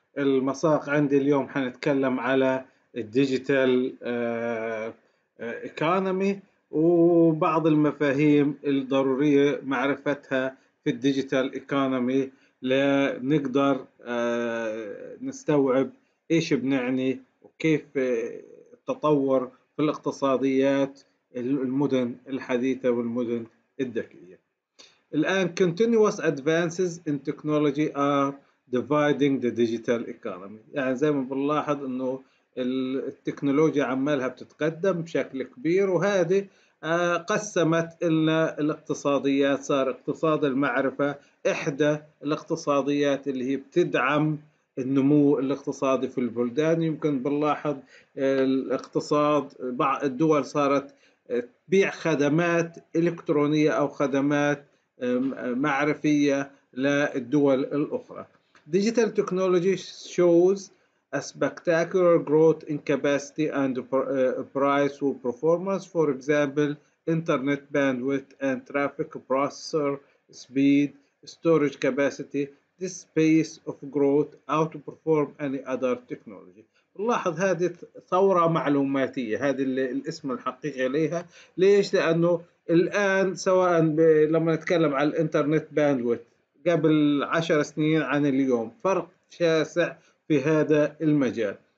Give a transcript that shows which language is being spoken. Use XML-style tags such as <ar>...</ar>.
<ar>المساق عندي اليوم حنتكلم على الديجيتال ايكونومي وبعض المفاهيم الضرورية معرفتها في الديجيتال ايكونومي لنقدر نستوعب ايش بنعني وكيف التطور في الاقتصاديات المدن الحديثة والمدن الذكية.</ar> <en>الآن continuous advances in technology are dividing the digital economy.</en> <ar>يعني زي ما بنلاحظ أنه التكنولوجيا عمالها بتتقدم بشكل كبير، وهذه قسمت إلى الاقتصاديات. صار اقتصاد المعرفة إحدى الاقتصاديات اللي هي بتدعم النمو الاقتصادي في البلدان. يمكن بنلاحظ الاقتصاد بعض الدول صارت تبيع خدمات إلكترونية أو خدمات معرفية للدول الأخرى.</ar> <en>Digital technology shows a spectacular growth in capacity and price or performance. For example, internet bandwidth and traffic processor speed, storage capacity. This pace of growth outperform any other technology.</en> <ar>لاحظ هذه ثورة معلوماتية، هذه الاسم الحقيقي عليها. ليش؟ لأنه الآن سواء لما نتكلم على الإنترنت باندويت قبل 10 سنين عن اليوم، فرق شاسع في هذا المجال.</ar>